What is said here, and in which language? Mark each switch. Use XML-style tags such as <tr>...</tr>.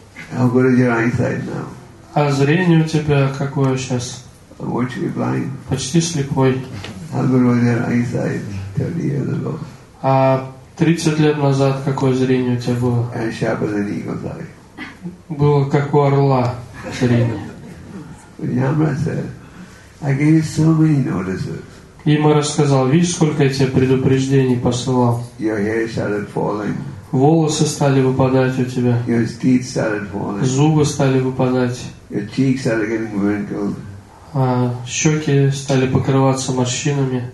<en>How good is your eyesight now?</en> <ru>А зрение у тебя какое сейчас?</ru> <en>Virtually blind.</en> <ru>Почти слепой.</ru> <en>How good was your eyesight 30 years ago?</en> <ru>А 30 лет назад какое зрение у тебя было?</ru> <en>And sharper than eagle's eye.</en> <ru>Было как у орла зрение.</ru> <en>Yamra said, I gave you so many notices.</en> <ru>Имара сказал, видишь, сколько я тебе предупреждений посылал?</ru> <en>Your hair started falling.</en> <ru>Волосы стали выпадать у тебя.</ru> <en>Your teeth started falling.</en> <ru>Зубы стали выпадать.</ru> <en>Your cheeks started getting wrinkled.</en> <ru>Щеки стали покрываться морщинами.</ru>